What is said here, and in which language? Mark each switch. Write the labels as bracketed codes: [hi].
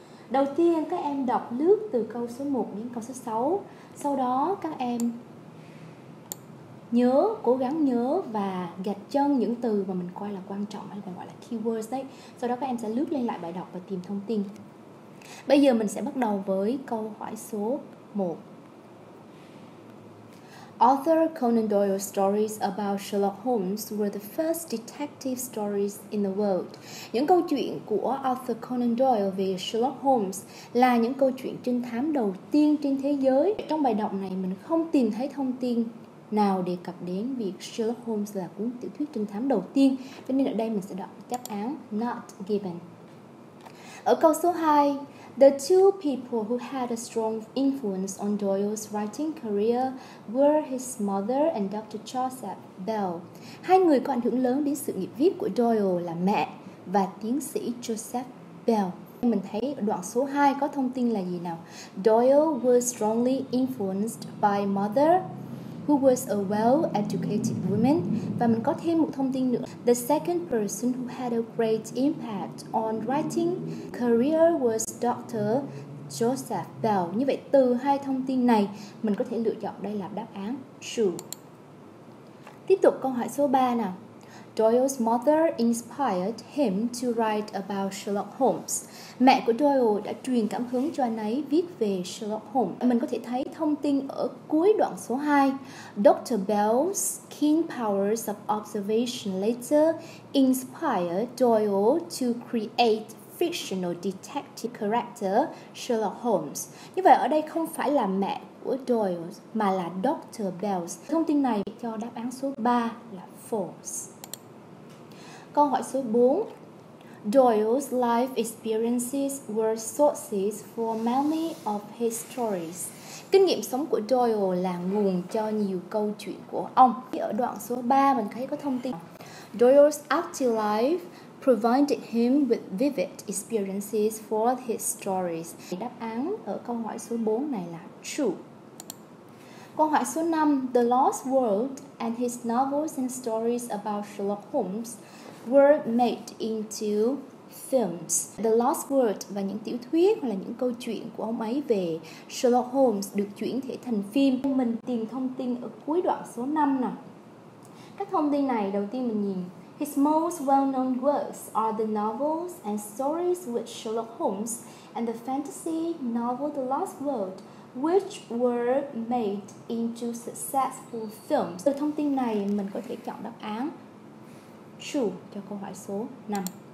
[vi] Đầu tiên các em đọc lướt từ câu số 1 đến câu số 6, sau đó các em nhớ, cố gắng nhớ và gạch chân những từ mà mình coi là quan trọng hay còn gọi là keywords đấy. Sau đó các em sẽ lướt lên lại bài đọc và tìm thông tin. Bây giờ mình sẽ bắt đầu với câu hỏi số 1. [en] Author Conan Doyle's stories about Sherlock Holmes were the first detective stories in the world. [vi] Những câu chuyện của Arthur Conan Doyle về Sherlock Holmes là những câu chuyện trinh thám đầu tiên trên thế giới. Trong bài đọc này mình không tìm thấy thông tin nào đề cập đến việc Sherlock Holmes là cuốn tiểu thuyết trinh thám đầu tiên. Cho nên ở đây mình sẽ đọc đáp án not given. Ở câu số 2, [en] the two people who had a strong influence on Doyle's writing career were his mother and Dr. Joseph Bell. [vi] Hai người có ảnh hưởng lớn đến sự nghiệp viết của Doyle là mẹ và tiến sĩ Joseph Bell. Mình thấy đoạn số 2 có thông tin là gì nào? [en] Doyle was strongly influenced by mother, who was a well-educated woman. [vi] Và mình có thêm một thông tin nữa. [en] The second person who had a great impact on writing career was Dr. Joseph Bell. [vi] Như vậy từ hai thông tin này mình có thể lựa chọn đây là đáp án true. Tiếp tục câu hỏi số 3 nào. [en] Doyle's mother inspired him to write about Sherlock Holmes. [vi] Mẹ của Doyle đã truyền cảm hứng cho anh ấy viết về Sherlock Holmes. Mình có thể thấy thông tin ở cuối đoạn số 2. [en] Dr. Bell's keen powers of observation later inspired Doyle to create fictional detective character Sherlock Holmes. [vi] Như vậy ở đây không phải là mẹ của Doyle mà là Dr. Bell's. Thông tin này cho đáp án số 3 là false. Câu hỏi số 4. [en] Doyle's life experiences were sources for many of his stories. [vi] Kinh nghiệm sống của Doyle là nguồn cho nhiều câu chuyện của ông. Ở đoạn số 3 mình thấy có thông tin. [en] Doyle's active life provided him with vivid experiences for his stories. [vi] Đáp án ở câu hỏi số 4 này là true. Câu hỏi số 5. [en] The Lost World and his novels and stories about Sherlock Holmes were made into films. [vi] The Lost World và những tiểu thuyết hoặc là những câu chuyện của ông ấy về Sherlock Holmes được chuyển thể thành phim. Mình tìm thông tin ở cuối đoạn số 5 nè. Các thông tin này đầu tiên mình nhìn. [en] His most well-known works are the novels and stories with Sherlock Holmes and the fantasy novel The Lost World, which were made into successful films. [vi] Từ thông tin này mình có thể chọn đáp án true cho câu hỏi số 5.